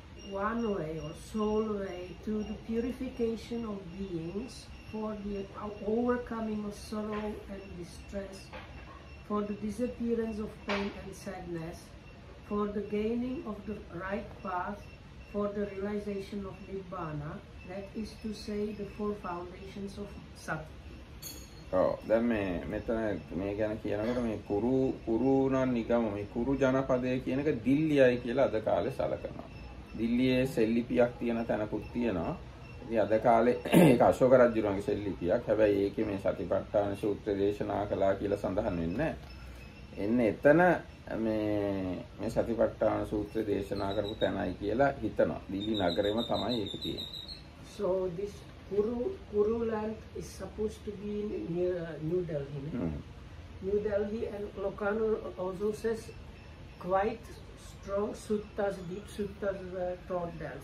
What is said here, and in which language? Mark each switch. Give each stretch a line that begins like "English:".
English: One way or soul way to the purification of beings for the overcoming of sorrow and distress, for the disappearance of pain and sadness, for the gaining of the right path, for the realization of Nibbana, that is to say the four foundations of sati.
Sinhala: ඔව් දැන් මේ මෙතන මේ ගැන කියනකොට මේ කුරුණන් නිගම මේ කුරු ජනපදය කියන එක දිල්ලියයි කියලා අද කාලේ සලකනවා. දිල්ලියේ සෙල්ලිපියක් තියෙන තැනකුත් තියෙනවා. අද කාලේ ඒක අශෝක රජුරන්ගේ සෙල්ලිපියක්. හැබැයි ඒකේ මේ සතිපට්ඨාන සූත්‍ර දේශනා කළා කියලා සඳහන් වෙන්නේ. එන්නේ එතන මේ සතිපට්ඨාන සූත්‍ර දේශනා කරපු තැනයි කියලා හිතනවා. දිලි නගරෙම තමයි ඒක තියෙන්නේ.
English: So this Kuru land is supposed to be near New Delhi. Mm. New Delhi and Lokanu also says quite strong suttas, deep suttas taught there.